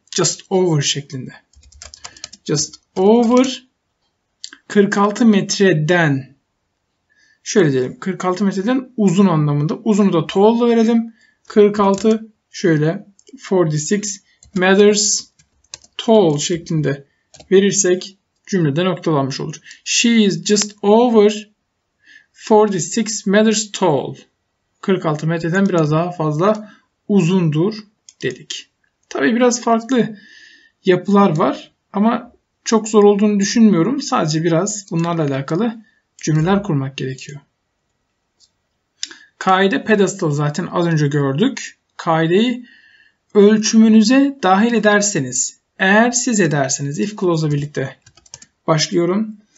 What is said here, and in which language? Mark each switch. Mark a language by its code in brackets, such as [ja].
[tr] Just over şeklinde. Just over 46 metreden, şöyle diyelim, 46 metreden uzun anlamında. Uzunu da tall'la verelim. 46 şöyle [en] 46 meters tall [tr] şeklinde verirsek cümlede noktalanmış olur. [en] She is just over 46 meters tall. [tr] 46 metreden biraz daha fazla uzundur dedik. Tabii biraz farklı yapılar var ama çok zor olduğunu düşünmüyorum. Sadece biraz bunlarla alakalı cümleler kurmak gerekiyor. Kaide pedestal zaten az önce gördük. Kaideyi ölçümünüze dahil ederseniz, eğer siz ederseniz, if clause'la birlikte başlıyorum.